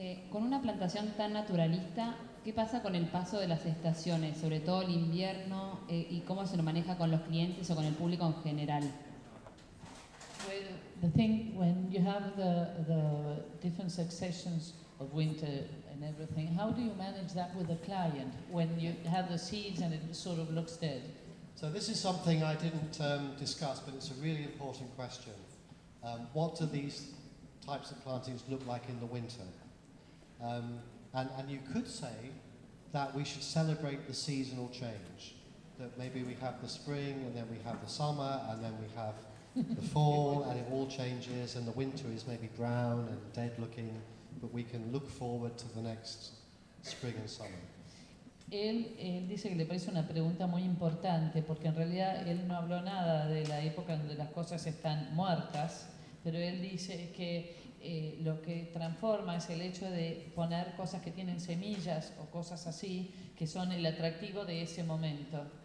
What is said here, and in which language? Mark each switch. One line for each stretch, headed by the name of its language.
Spanish: Con una plantación tan naturalista, ¿qué pasa con el paso de las estaciones, sobre todo el invierno, y cómo se lo maneja con los clientes o con el público en general?
English: Well, the thing when you have the different successions of winter and everything, how do you manage that with the client when you have the seeds and it sort of looks dead? So this is something I didn't discuss, but it's a really important question. What do these types of plantings look like in the winter? And you could say that we should celebrate the seasonal change, that maybe we have the spring, and then we have the summer, and then we have the fall, and it all changes, and the winter is maybe brown and dead-looking, but we can look forward to the next spring and summer.
Spanish: Él dice que le parece una pregunta muy importante, porque en realidad él no habló nada de la época donde las cosas están muertas, pero él dice que lo que transforma es el hecho de poner cosas que tienen semillas o cosas así, que son el atractivo de ese momento.